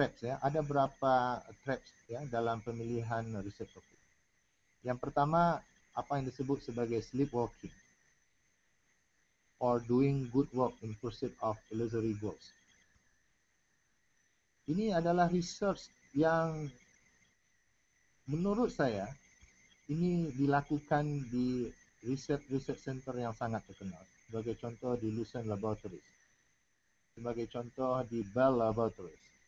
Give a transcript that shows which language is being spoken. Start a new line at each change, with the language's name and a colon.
Indonesian: Ada berapa traps ya dalam pemilihan riset topik. Yang pertama, apa yang disebut sebagai sleepwalking.
English: or doing good work in pursuit of illusory goals.
Indonesian: Ini adalah research yang menurut saya ini dilakukan di research-research center yang sangat terkenal. Sebagai contoh di Lucent Laboratories. Sebagai contoh di Bell Laboratories.